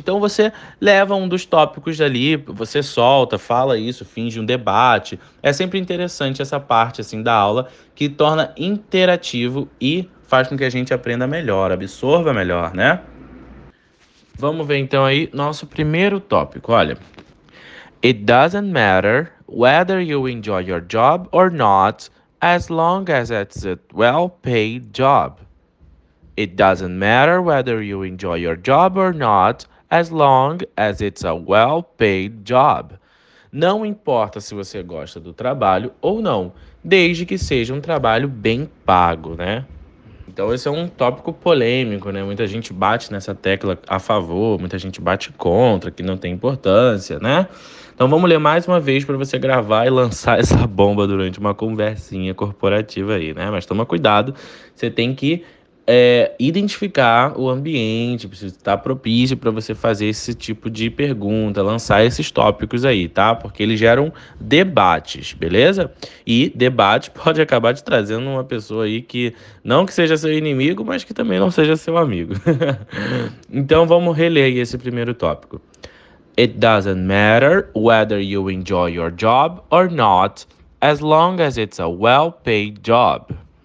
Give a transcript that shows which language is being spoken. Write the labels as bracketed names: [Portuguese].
[Portuguese] Então, você leva um dos tópicos dali, você solta, fala isso, finge um debate. É sempre interessante essa parte assim da aula que torna interativo e faz com que a gente aprenda melhor, absorva melhor, né? Vamos ver então aí nosso primeiro tópico. Olha, [English] it doesn't matter whether you enjoy your job or not, as long as it's a well-paid job. It doesn't matter whether you enjoy your job or not, as long as it's a well-paid job. [Portuguese] Não importa se você gosta do trabalho ou não, desde que seja um trabalho bem pago, né? Então, esse é um tópico polêmico, né? Muita gente bate nessa tecla a favor, muita gente bate contra, que não tem importância, né? Então, vamos ler mais uma vez para você gravar e lançar essa bomba durante uma conversinha corporativa aí, né? Mas toma cuidado, você tem que identificar o ambiente, precisa estar propício para você fazer esse tipo de pergunta, lançar esses tópicos aí, tá? Porque eles geram debates, beleza? E debate pode acabar te trazendo uma pessoa aí que não que seja seu inimigo, mas que também não seja seu amigo. Então vamos reler aí esse primeiro tópico. [English] It doesn't matter whether you enjoy your job or not, as long as it's a well-paid job.